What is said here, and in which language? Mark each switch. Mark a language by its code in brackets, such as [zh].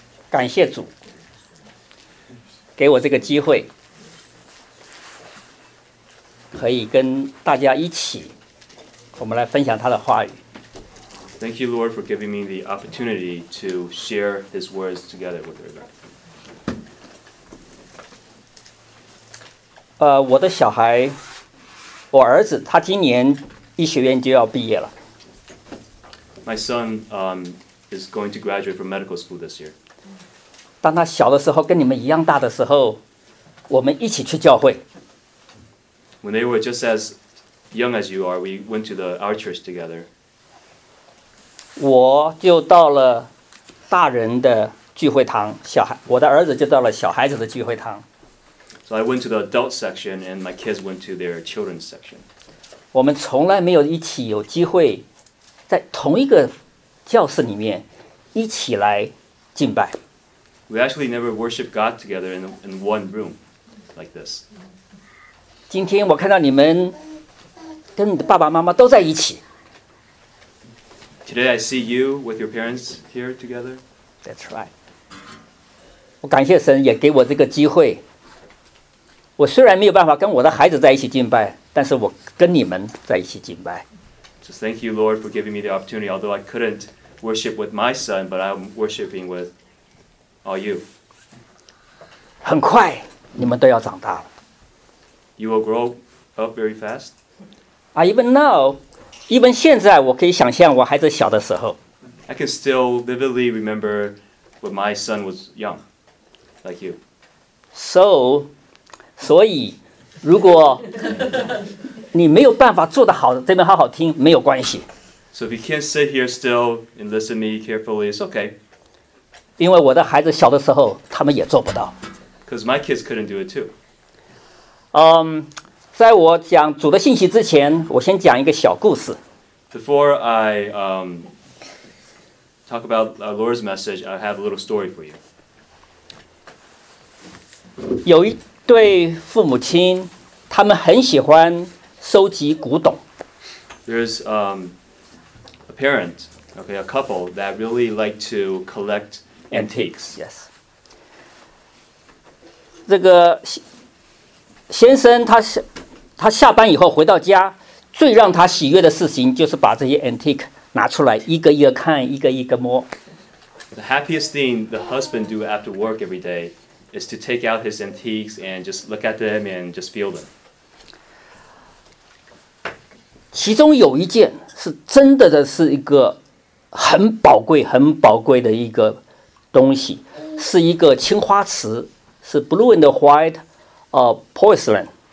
[zh] 感谢主给我这个机会，可以跟大家一起，我们来分享他的话语。 [en] Thank you, Lord, for giving me the opportunity to share His words together with everybody. [zh] 我的小孩，我儿子，他今年医学院就要毕业了。 [en] My son, is going to graduate from medical school this year. [zh] 当他小的时候，跟你们一样大的时候，我们一起去教会。 [en] When they were just as young as you are, we went to our church together. [zh] 我就到了大人的聚会堂，小孩，我的儿子就到了小孩子的聚会堂。 [en] So I went to the adult section, and my kids went to their children's section. [zh] 我们从来没有一起有机会在同一个教室里面一起来敬拜。 [en] We actually never worshiped God together in one room like this. [zh] 今天我看到你们跟你的爸爸妈妈都在一起。 [en] Today I see you with your parents here together. That's right. [zh] 我感谢神也给我这个机会。我虽然没有办法跟我的孩子在一起敬拜，但是我跟你们在一起敬拜。 [en] So thank you, Lord, for giving me the opportunity. Although I couldn't worship with my son, but I'm worshiping with all you. [zh] 很快，你们都要长大了。 [en] You will grow up very fast. Even now, even [zh] 现在，我可以想象我孩子小的时候。 [en] I can still vividly remember when my son was young, like you. [zh] So, 如果你没有办法坐得好，这边好好听，没有关系。 [en] So if you can't sit here still and listen to me carefully, it's okay. [zh] 因为我的孩子小的时候，他们也做不到。 [en] Because my kids couldn't do it too. [zh] 在我讲主的信息之前，我先讲一个小故事。 [en] Before I talk about Lord's message, I have a little story for you. [zh] 有一对父母亲，他们很喜欢收集古董。 [en] There's a parent, okay, a couple that really like to collect antiques. Yes. [zh] 这个先生他下班以后回到家，最让他喜悦的事情就是把这些 antique 拿出来一个一个看，一个一个摸。 [en] The happiest thing the husband do after work every day. Is to take out his antiques and just look at them and just feel them. [zh] 其中有一件是真的的是一个很宝贵、很宝贵的一个东西，是一个青花瓷，是 [en] blue and white, porcelain.